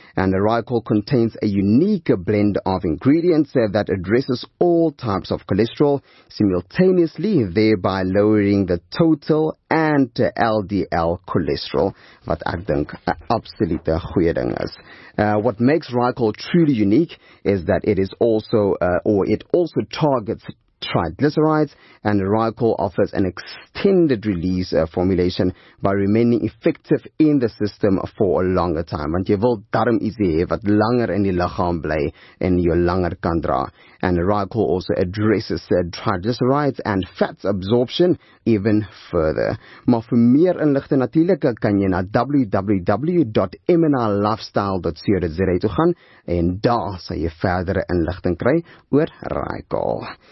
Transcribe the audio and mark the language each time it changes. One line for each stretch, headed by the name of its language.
English: And the Rycol contains a unique blend of ingredients that addresses all types of cholesterol simultaneously, thereby lowering the total and LDL cholesterol,
Afrikaans: wat ek dink 'n absolute goeie ding is.
English: What makes Rycol truly unique is that it is also it also targets triglycerides, and Rycol offers an extended release formulation by remaining effective in the system for a longer time.
Afrikaans: Want jy wil darm iets hê wat langer in die liggaam bly en jou langer kan dra.
English: And Rycol also addresses said triglycerides and fat absorption even further.
Afrikaans: Maar vir meer inligting natuurlik kan jy na www.mnlifestyle.co.za toe gaan en daar sal jy verdere inligting kry oor Rycol.